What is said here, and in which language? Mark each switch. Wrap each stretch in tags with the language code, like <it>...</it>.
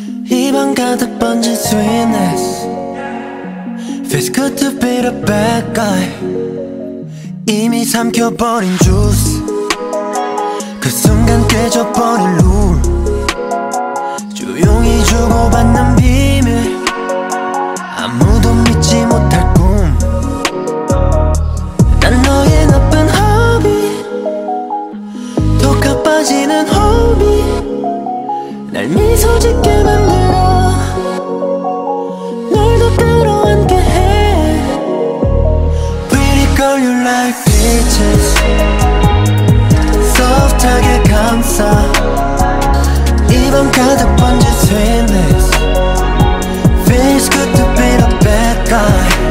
<ko>입안 가득 번진 sweetness.</ko> <en>Feels good to be the bad guy.</en> <ko>이미 삼켜버린 juice. 그 순간 깨져버린 rule. 조용히 주고받는 비밀. 아무도 믿지 못할 꿈. 난 너의 나쁜 hobby. 독 가빠지는 hobby. 날 미소 짓게 만들어. 널 더 끌어안게 해.</ko> <en>Pretty girl, you like peaches.</en> <ko>Soft 하게 감싸. 입안 가득 번진 sweetness.</ko> <en>Feels good to be the bad guy.</en>